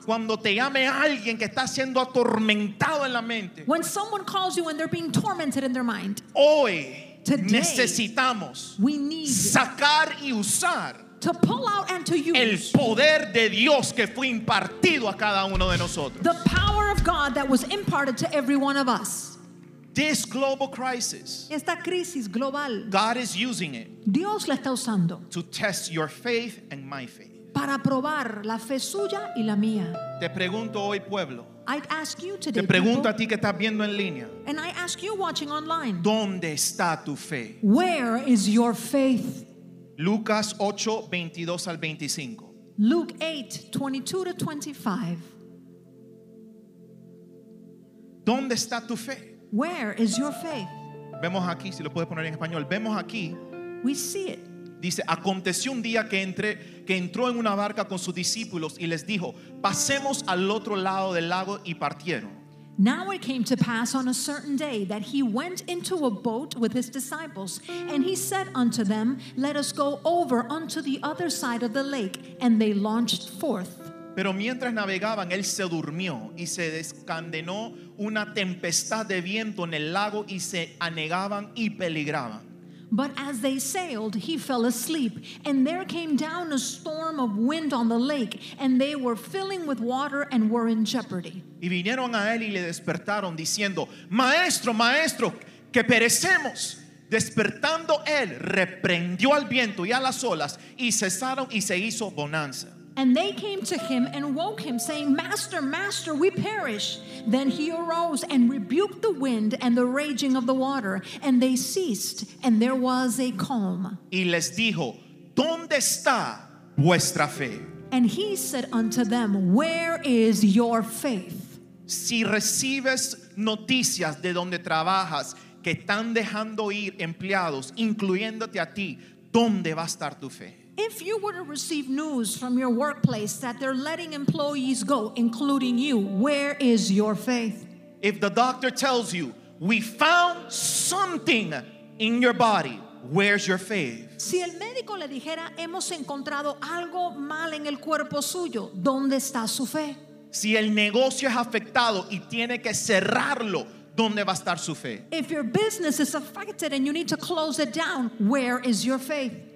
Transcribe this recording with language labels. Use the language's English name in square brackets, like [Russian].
[Spanish] Cuando te llame alguien que está siendo atormentado en la mente, [English] when someone calls you and they're being tormented in their mind, [Spanish] hoy, [English] today, [Spanish] necesitamos, [English] we need, [Spanish] sacar y usar, [English] to pull out and to use, [Spanish] el poder de Dios que fue impartido a cada uno de nosotros. [English] The power of God that was imparted to every one of us. This global crisis, [Spanish] esta crisis global, [English] God is using it, [Spanish] Dios la está usando, [English] to test your faith and my faith. [Spanish] Para probar la fe suya y la mía. Te pregunto hoy, pueblo. [English] I'd ask you today, [Spanish] te pregunto [English] people, [Spanish] a ti que estás viendo en línea. [English] And I ask you watching online. [Spanish] ¿Dónde está tu fe? [English] Where is your faith? [Spanish] Lucas 8, 22 al 25. [English] Luke 8, 22 to 25. [Spanish] ¿Dónde está tu fe? [English] Where is your faith? [Spanish] Vemos aquí, si lo puedes poner en español. Vemos aquí. [English] We see it. [Spanish] Dice, aconteció un día que entró en una barca con sus discípulos y les dijo, pasemos al otro lado del lago, y partieron. [English] Now it came to pass on a certain day that he went into a boat with his disciples, and he said unto them, let us go over unto the other side of the lake, and they launched forth. [Spanish] Pero mientras navegaban, él se durmió y se descandenó una tempestad de viento en el lago y se anegaban y peligraban. [English] But as they sailed, he fell asleep, and there came down a storm of wind on the lake, and they were filling with water and were in jeopardy. [Spanish] Y vinieron a él y le despertaron diciendo, Maestro, Maestro, que perecemos. Despertando él, reprendió al viento y a las olas, y cesaron y se hizo bonanza. [English] And they came to him and woke him, saying, Master, Master, we perish. Then he arose and rebuked the wind and the raging of the water, and they ceased, and there was a calm. [Spanish] Y les dijo, ¿Dónde está vuestra fe? [English] And he said unto them, Where is your faith? [Spanish] Si recibes noticias de donde trabajas, que están dejando ir empleados, incluyéndote a ti, ¿dónde va a estar tu fe? [English] If you were to receive news from your workplace that they're letting employees go, including you, where is your faith? If the doctor tells you, we found something in your body, where's your faith? [Spanish] Si el médico le dijera, hemos encontrado algo mal en el cuerpo suyo, ¿dónde está su fe? Si el negocio es afectado y tiene que cerrarlo, ¿dónde va a estar su fe? [English] If your business is affected and you need to close it down, where is your faith?